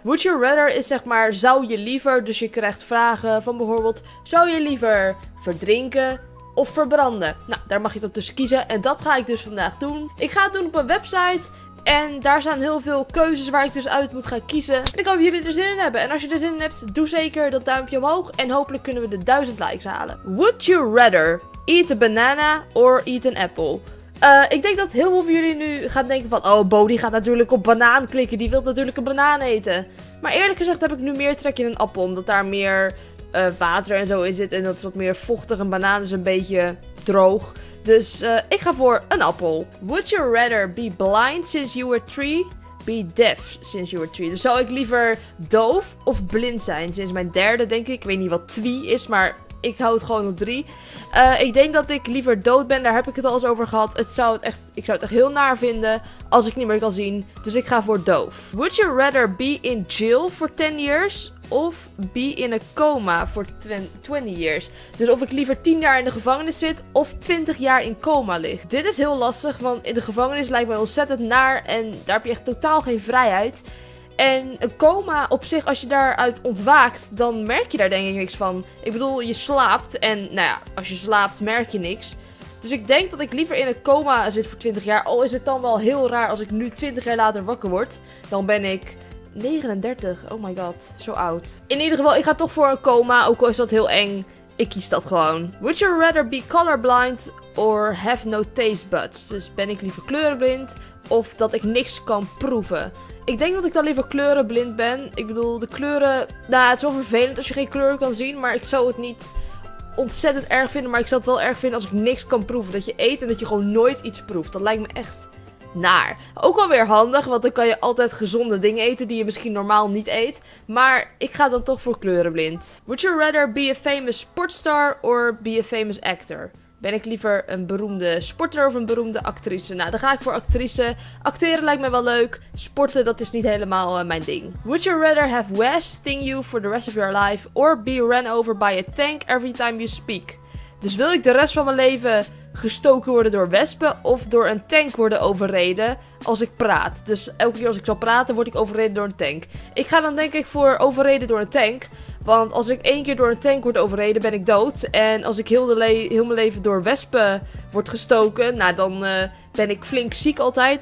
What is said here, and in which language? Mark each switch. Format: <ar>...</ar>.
<nl>Would You Rather is zeg maar, zou je liever, dus je krijgt vragen van bijvoorbeeld, zou je liever verdrinken of verbranden? Nou, daar mag je dan tussen kiezen en dat ga ik dus vandaag doen. Ik ga het doen op een website en daar staan heel veel keuzes waar ik dus uit moet gaan kiezen. En ik hoop dat jullie er zin in hebben. En als je er zin in hebt, doe zeker dat duimpje omhoog en hopelijk kunnen we de 1000 likes halen.</nl> <en>Would You Rather eat a banana or eat an apple?</en> <nl>Ik denk dat heel veel van jullie nu gaan denken van, oh, Bo die gaat natuurlijk op banaan klikken, die wil natuurlijk een banaan eten. Maar eerlijk gezegd heb ik nu meer trek in een appel, omdat daar meer water en zo in zit en dat is wat meer vochtig. Een banaan is een beetje droog, dus ik ga voor een appel.</nl> <en>Would you rather be blind since you were 3, be deaf since you were 3?</en> <nl>Dus zou ik liever doof of blind zijn sinds mijn 3e, denk ik. Ik weet niet wat 3 is, maar ik hou het gewoon op 3. Ik denk dat ik liever dood ben. Daar heb ik het al eens over gehad. Ik zou het echt heel naar vinden als ik niet meer kan zien. Dus ik ga voor doof.</nl> <en>Would you rather be in jail for 10 years of be in a coma for 20 years?</en> <nl>Dus of ik liever 10 jaar in de gevangenis zit of 20 jaar in coma lig. Dit is heel lastig, want in de gevangenis lijkt mij ontzettend naar en daar heb je echt totaal geen vrijheid. En een coma op zich, als je daaruit ontwaakt, dan merk je daar denk ik niks van. Ik bedoel, je slaapt en nou ja, als je slaapt merk je niks. Dus ik denk dat ik liever in een coma zit voor 20 jaar. Al is het dan wel heel raar als ik nu 20 jaar later wakker word. Dan ben ik 39.</nl> <en>Oh my god,</en> <nl>zo oud. In ieder geval, ik ga toch voor een coma, ook al is dat heel eng. Ik kies dat gewoon.</nl> <en>Would you rather be colorblind or have no taste buds?</en> <nl>Dus ben ik liever kleurenblind of dat ik niks kan proeven? Ik denk dat ik dan liever kleurenblind ben. Ik bedoel, de kleuren... Nou, het is wel vervelend als je geen kleuren kan zien. Maar ik zou het niet ontzettend erg vinden. Maar ik zou het wel erg vinden als ik niks kan proeven. Dat je eet en dat je gewoon nooit iets proeft. Dat lijkt me echt naar. Ook wel weer handig, want dan kan je altijd gezonde dingen eten die je misschien normaal niet eet. Maar ik ga dan toch voor kleurenblind.</nl> <en>Would you rather be a famous sportstar or be a famous actor?</en> <nl>Ben ik liever een beroemde sporter of een beroemde actrice? Nou, dan ga ik voor actrice. Acteren lijkt me wel leuk. Sporten, dat is niet helemaal mijn ding.</nl> <en>Would you rather have Wes sting you for the rest of your life or be run over by a tank every time you speak?</en> <nl>Dus wil ik de rest van mijn leven gestoken worden door wespen of door een tank worden overreden als ik praat? Dus elke keer als ik zal praten, word ik overreden door een tank. Ik ga dan denk ik voor overreden door een tank. Want als ik één keer door een tank word overreden, ben ik dood. En als ik heel mijn leven door wespen word gestoken, nou dan ben ik flink ziek altijd.</nl>